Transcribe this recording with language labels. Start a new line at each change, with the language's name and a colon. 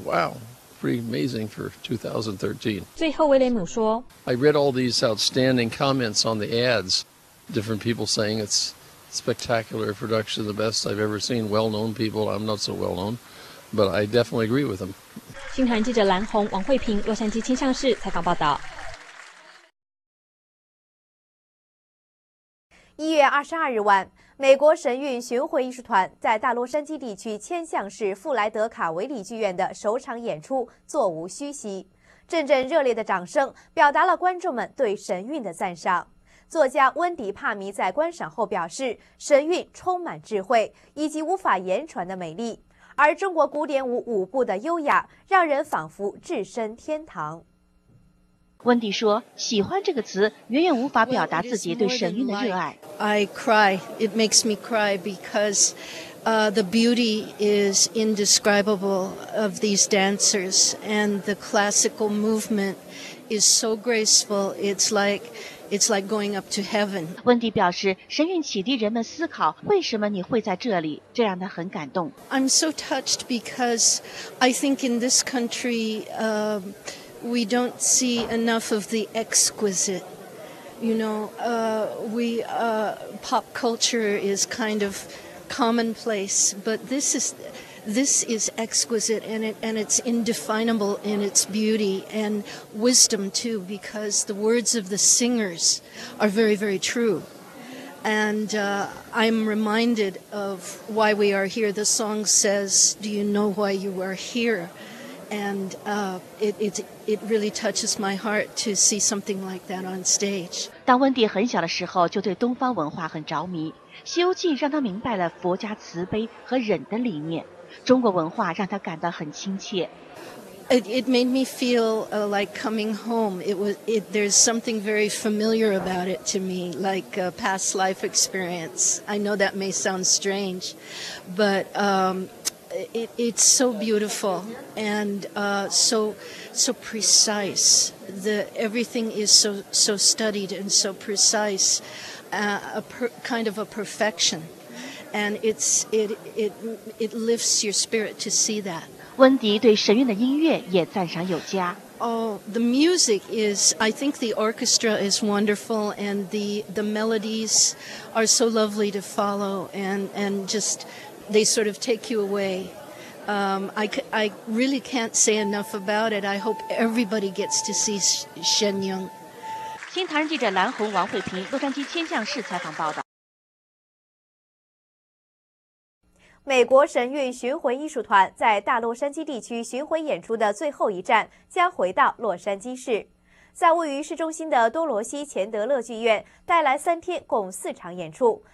English: Wow, pretty amazing for 2013.
Chinese: 最后威廉姆说,
English: I read all these outstanding comments on the ads, different people saying it's spectacular production, the best I've ever seen. Well-known people, I'm not so well-known, but I definitely agree with them.
Chinese: 新唐记者蓝红、王慧平，洛杉矶倾向室采访报道。 1月22日晚，美国神韵巡回艺术团在大洛杉矶地区千橡市富莱德卡维里剧院的首场演出座无虚席，阵阵热烈的掌声表达了观众们对神韵的赞赏。作家温迪·帕米在观赏后表示，神韵充满智慧以及无法言传的美丽，而中国古典舞舞步的优雅让人仿佛置身天堂。温迪说，喜欢这个词远远无法表达自己对神韵的热爱。
English: I cry, it makes me cry because the beauty is indescribable of these dancers, and the classical movement is so graceful, it's like going up to heaven.
Chinese: 温迪表示，神韵启迪人们思考为什么你会在这里，这让他很感动。
English: I'm so touched because I think in this country we don't see enough of the exquisite. You know, pop culture is kind of commonplace, but this is exquisite, and it's indefinable in its beauty and wisdom too, because the words of the singers are very, very true. And I'm reminded of why we are here. The song says, "Do you know why you are here?" And it really touches my heart to see something like that on stage.
Chinese: 当温蒂很小的时候就对东方文化很着迷，《西游记》让他明白了佛家慈悲和忍的理念，中国文化让他感到很亲切。
English: It made me feel like coming home. There's something very familiar about it to me, like a past life experience. I know that may sound strange, but it's so beautiful and so precise. Everything is so studied and so precise, kind of a perfection. And it lifts your spirit to see that.
Chinese: 温迪对神韵的音乐也赞赏有加。
English: Oh, the music is, I think the orchestra is wonderful, and the melodies are so lovely to follow, and just, they sort of take you away. I really can't say enough about it. I hope everybody gets to see Shen Yun.
Chinese: 新唐人记者蓝红、王慧平，洛杉矶天象室采访报道。美国神韵巡回艺术团在大洛杉矶地区巡回演出的最后一站将回到洛杉矶市，在位于市中心的多罗西钱德勒剧院带来三天共四场演出。